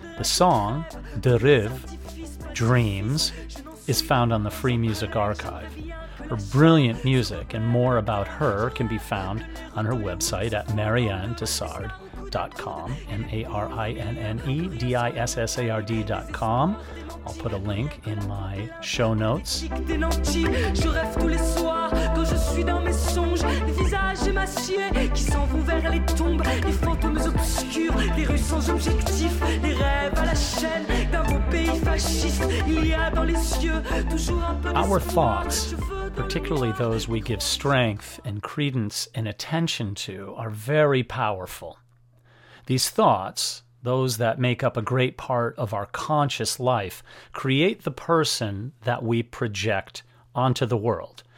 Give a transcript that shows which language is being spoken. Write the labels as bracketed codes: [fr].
[en] The song, De Rive, Dreams, is found on the Free Music Archive. Her brilliant music and more about her can be found on her website at marianne.dessard.com, MarinneDissard.com. I'll put a link in my show notes. [fr] Je rêve tous les soirs quand je suis dans mes songes, les visages émaciés qui s'en vont vers les tombes, les fantômes obscurs, les rues sans objectif, les rêves à la chaîne d'un beau pays fasciste. Il y a dans les yeux toujours un peu de [en] Our thoughts. Particularly those we give strength and credence and attention to, are very powerful. These thoughts, those that make up a great part of our conscious life, create the person that we project onto the world.